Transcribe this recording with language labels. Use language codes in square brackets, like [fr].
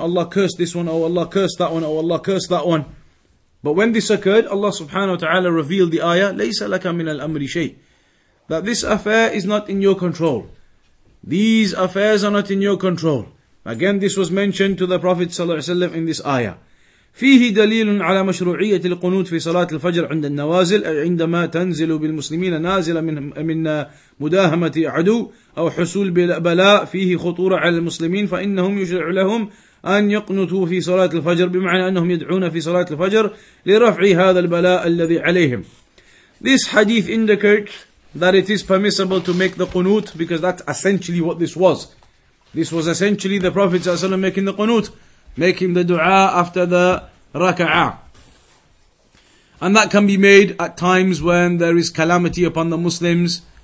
[en] Allah curse this one, oh Allah curse that one, oh Allah curse that one. But when this occurred, Allah subhanahu wa ta'ala revealed the ayah, [ar] لَيْسَ لَكَ مِنَ الْأَمْرِ شَيْءٍ. [en] That this affair is not in your control. These affairs are not in your control. Again, this was mentioned to the Prophet ﷺ in this ayah. [ar] فيه دليل على مشروعية القنوت في صلاة الفجر عند النوازل عندما تنزل بالمسلمين نازلة من مداهمة عدو أو حصول بلاء فيه خطورة على المسلمين فإنهم يشرع لهم أن يقنطوا في صلاة الفجر بمعنى أنهم يدعون في صلاة الفجر لرفع هذا البلاء الذي عليهم. [en] This hadith indicates that it is permissible to make the qunut, because that's essentially what this was. This was essentially the Prophet ﷺ making the qunut, making the dua after the raka'ah. And that can be made at times when there is calamity upon the Muslims.